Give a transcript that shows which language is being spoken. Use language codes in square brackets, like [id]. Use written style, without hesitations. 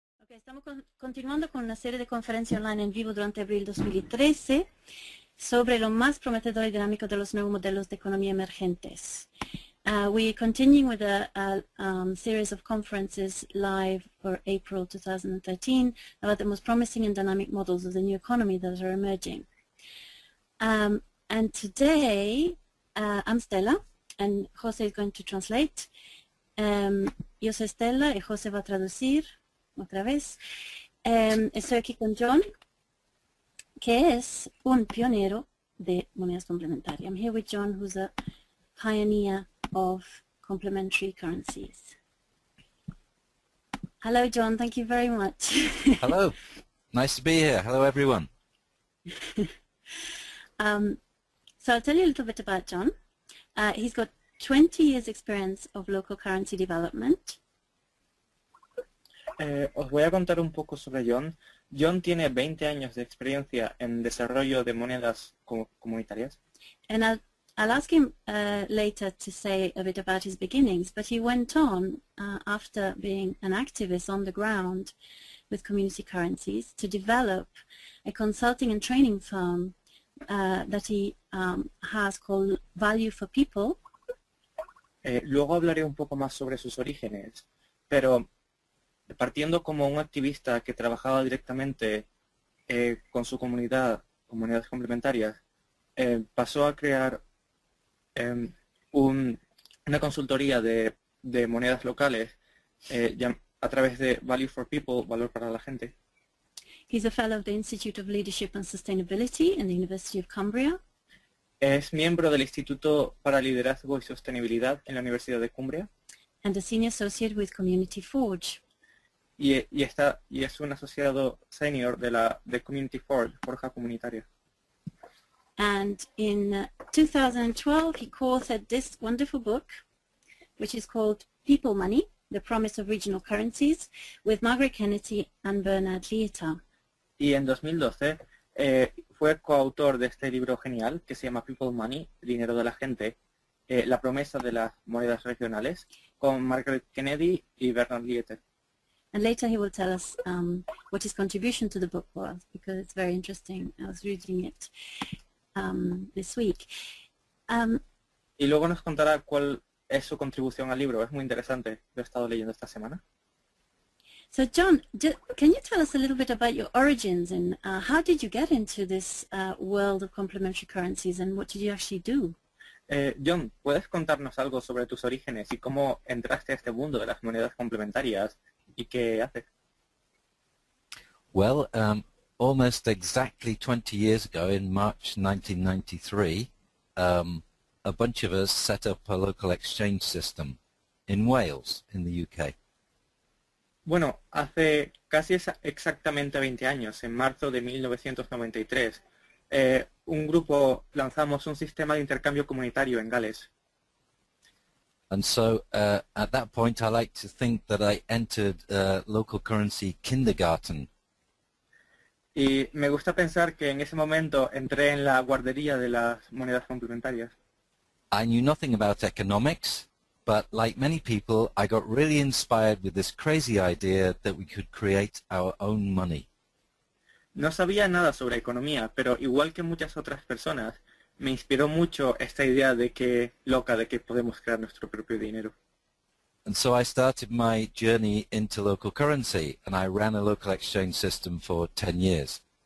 [es] Estamos continuando con una serie de conferencias online en vivo durante abril 2013 sobre lo más prometedor y dinámico de los nuevos modelos de economía emergentes. [en] We continue with a series of conferences live for April 2013 about the most promising and dynamic models of the new economy that are emerging. And today, I'm Stella, and José is going to translate. [es] Yo soy Stella, y José va a traducir otra vez. Estoy aquí con John, que es un pionero de monedas complementarias. [en] I'm here with John, who's a pioneer of complementary currencies. Hello, John. Thank you very much. Hello. Nice to be here. Hello, everyone. So I'll tell you a little bit about John. He's got 20 years experience of local currency development. [es] Os voy a contar un poco sobre John. John tiene 20 años de experiencia en desarrollo de monedas comunitarias. [en] And I'll ask him later to say a bit about his beginnings, but he went on after being an activist on the ground with community currencies to develop a consulting and training firm that he has called Value for People. [es] Luego hablaré un poco más sobre sus orígenes, pero partiendo como un activista que trabajaba directamente con su comunidad, comunidades complementarias, pasó a crear una consultoría de monedas locales a través de Value for People, Valor para la Gente. [en] He's a fellow of the Institute of Leadership and Sustainability in the University of Cumbria. [es] Es miembro del Instituto para Liderazgo y Sostenibilidad en la Universidad de Cumbria. [en] And a senior associate with Community Forge. [es] Y es un asociado senior de Community Forge, Forja Comunitaria. [en] And in 2012, he co-authored this wonderful book, which is called People Money, The Promise of Regional Currencies, with Margaret Kennedy and Bernard Lieta. [es] Y en 2012, fue coautor de este libro genial que se llama People Money, Dinero de la Gente, La Promesa de las Monedas Regionales, con Margaret Kennedy y Bernard Lieta. [en] And later he will tell us what his contribution to the book was, because it's very interesting. I was reading it this week. [es] Y luego nos contará cuál es su contribución al libro. Es muy interesante. Lo he estado leyendo esta semana. [en] So John, can you tell us a little bit about your origins and how did you get into this world of complementary currencies and what did you actually do? [es] John, ¿puedes contarnos algo sobre tus orígenes y cómo entraste a este mundo de las monedas complementarias y qué haces? [en] Well, almost exactly 20 years ago, in March 1993, a bunch of us set up a local exchange system in Wales, in the UK. [es] Bueno, hace casi exactamente 20 años, en marzo de 1993, un grupo lanzamos un sistema de intercambio comunitario en Gales. [en] And so, at that point, I like to think that I entered local currency kindergarten. [es] Y me gusta pensar que en ese momento entré en la guardería de las monedas complementarias. [en] I knew nothing about economics. But like many people, I got really inspired with this crazy idea that we could create our own money. [es] No sabía nada sobre economía, pero igual que muchas otras personas, me inspiró mucho esta idea de que loca de que podemos crear nuestro propio dinero. [en] And so I started my journey into local currency, and I ran a local exchange system for 10 years.